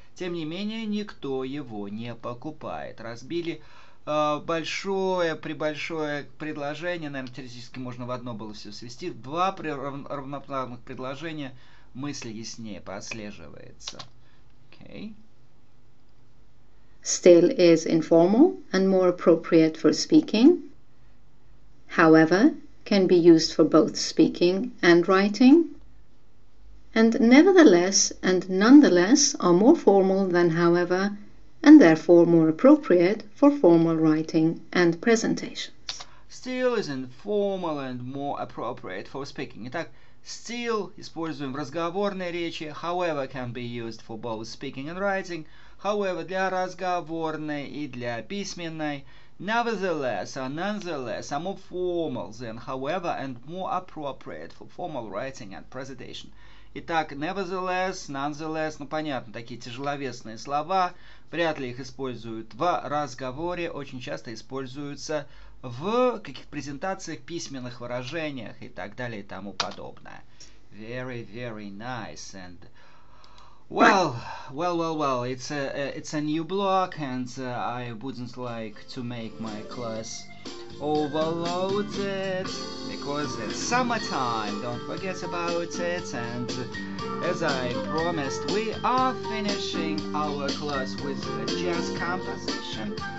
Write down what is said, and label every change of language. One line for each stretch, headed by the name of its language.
Russian: Тем не менее, никто его не покупает. Разбили большое, прибольшое предложение. Наверное, теоретически можно в одно было все свести. Два равноправных предложения. Мысль яснее прослеживается.
English: Okay. Still is informal and more appropriate for speaking. However, can be used for both speaking and writing. And nevertheless and nonetheless are more formal than however and therefore more appropriate for formal writing and presentations. Still is informal and more appropriate for speaking.
Russian: Итак,
English: still
Russian: используем в разговорной речи,
English: however can be used for both speaking and writing, however
Russian: для разговорной и для письменной,
English: nevertheless or nonetheless are more formal than however and more appropriate for formal writing and presentation.
Russian: Итак, nevertheless, nonetheless, ну понятно, такие тяжеловесные слова, вряд ли их используют в разговоре, очень часто используются в каких-то презентациях, письменных выражениях и так далее и тому подобное.
English: Very, very nice. And well, it's a new block, and I wouldn't like to make my class overloaded, because it's summertime, don't forget about it, and as I promised, we are finishing our class with jazz composition.